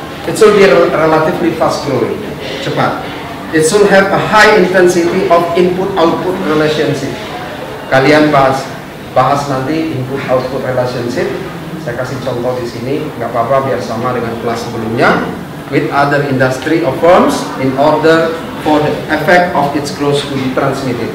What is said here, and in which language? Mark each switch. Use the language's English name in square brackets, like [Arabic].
[English] It will be relatively fast growing, cepat. It will have a high intensity of input-output relationship. [Indonesian] Kalian bahas nanti input-output relationship. Saya kasih contoh di sini, nggak apa-apa biar sama dengan kelas sebelumnya. [English] With other industry or firms, in order for the effect of its growth to be transmitted.